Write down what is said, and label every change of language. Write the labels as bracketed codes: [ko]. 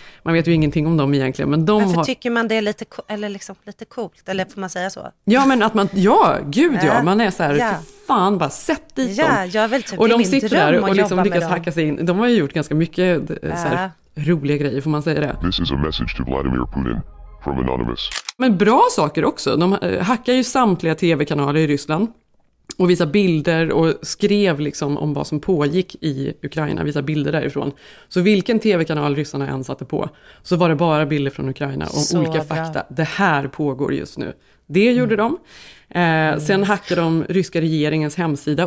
[sv] Man vet ju ingenting om dem egentligen. Men de varför har... tycker man det är lite, eller liksom, lite coolt? Eller får man säga så? Ja, men att man... Ja, gud ja. Man är så här, fan, bara sätt dit dem. Ja, jag vill typ och de sitter där och liksom lyckas hacka sig in. De har ju gjort ganska mycket så här, roliga grejer, får man säga det. [en] This is a message to Vladimir Putin from Anonymous. [sv] Men bra saker också. De hackar ju samtliga tv-kanaler i Ryssland. Och visa bilder och skrev liksom om vad som pågick i Ukraina. Visa bilder därifrån. Så vilken tv-kanal ryssarna än satte på så var det bara bilder från Ukraina och så olika fakta. Det här pågår just nu. Det gjorde de. Sen hackade de ryska regeringens hemsida.